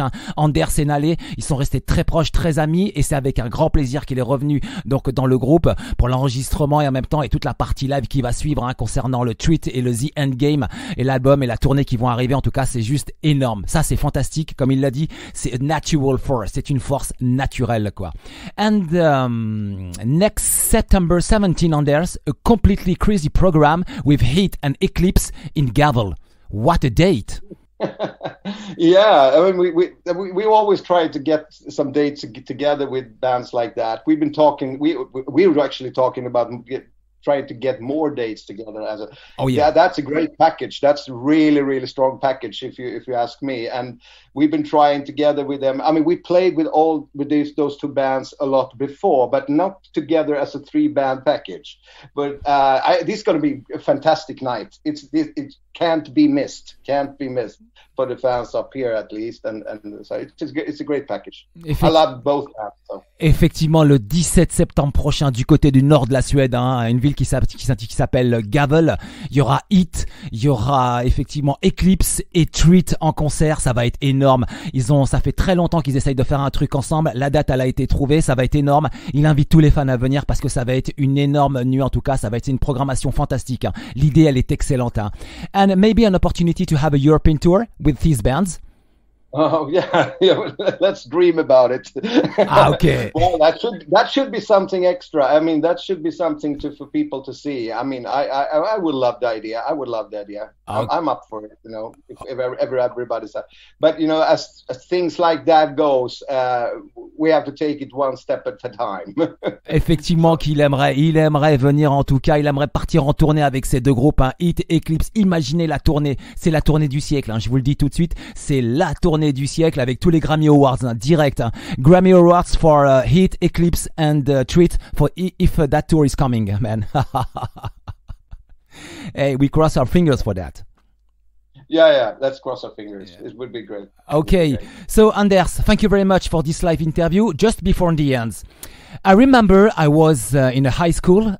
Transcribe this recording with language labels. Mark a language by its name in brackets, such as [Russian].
[French] Hein, Anders et Nalle, ils sont restés très proches, très amis. Et c'est avec un grand plaisir qu'il est revenu donc dans le groupe pour l'enregistrement et en même temps et toute la partie live qui va suivre hein, concernant le Treat et le The Endgame et l'album et la tournée qui vont arriver, en tout cas c'est juste énorme, ça c'est fantastique, comme il l'a dit, c'est [English] a natural force, [French] c'est une force naturelle quoi. [English] And next September 17 Anders, a completely crazy program with Heat and Eclipse in Gavel. What a date. Yeah, I mean, we always try to get some dates together with bands like that. We've been talking, we were actually talking about trying to get more dates together as a that's a great package. That's a really, really strong package if you ask me. And we've been trying together with them. I mean, we played with those two bands a lot before, but not together as a three band package. But this is going to be a fantastic night. It can't be missed. Can't be missed for the fans up here at least. And so it's a great package. I love both bands. So. [French] Effectivement, le 17 septembre prochain, du côté du nord de la Suède, hein, une ville qui s'appelle Gavel, il y aura Heat, il y aura effectivement Eclipse et Treat en concert. Ça va être énorme. Ça fait très longtemps qu'ils essayent de faire un truc ensemble. La date, elle a été trouvée. Ça va être énorme. Il invite tous les fans à venir parce que ça va être une énorme nuit. En tout cas, ça va être une programmation fantastique. Hein. L'idée, elle est excellente. Hein. [English] And maybe an opportunity to have a European tour with these bands. Oh yeah, let's dream about it. Ah, okay. Well, that should be something extra. I mean, that should be something for people to see. I mean, I would love the idea. I would love the idea. Okay. I'm up for it. You know, if everybody's up. But you know, as things like that goes, we have to take it one step at a time. [French] Effectivement, qu'il aimerait venir. En tout cas, il aimerait partir en tournée avec ces deux groupes, hein, Heat, Eclipse. Imaginez la tournée. C'est la tournée du siècle. Hein, je vous le dis tout de suite. C'est la tournée du siècle avec tous les Grammy Awards hein, direct. Hein. [English] Grammy Awards for Heat, Eclipse and Treat for if that tour is coming, man. Hey, we cross our fingers for that. Yeah, let's cross our fingers. Yeah. It would be great. Okay. So, Anders, thank you very much for this live interview. Just before the end, I remember I was in a high school.